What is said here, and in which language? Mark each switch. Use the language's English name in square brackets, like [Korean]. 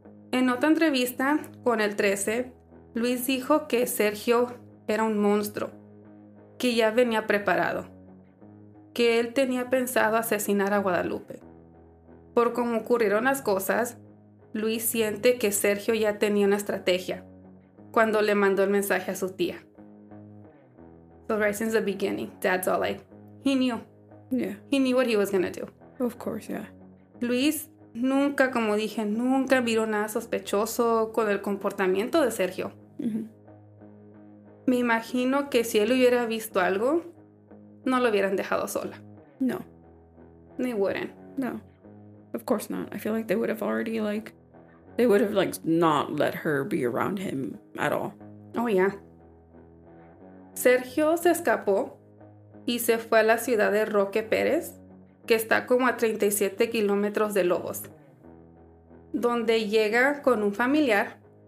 [Spanish] En otra entrevista con el 13, Luis dijo que Sergio era un monstruo, que ya venía preparado, que él tenía pensado asesinar a Guadalupe. Por cómo ocurrieron las cosas... Luis siente que Sergio ya tenía una estrategia cuando le mandó el mensaje a su tía. [English] So right since the beginning, Dad's all like, he knew. Yeah. He knew what he was going to do. Of course, yeah. [Spanish] Luis nunca, como dije, nunca miró nada sospechoso con el comportamiento de Sergio. Mm-hmm. Me imagino que si él hubiera visto algo, no lo hubieran dejado sola. No. [English] They wouldn't. No. Of course not. I feel like they would have already, like, they would have, like, not let her be around him at all. Oh, yeah. [Spanish] Sergio se escapó y se fue a la ciudad de Roque Pérez, que está como a 37 kilómetros de Lobos, donde llega con un familiar.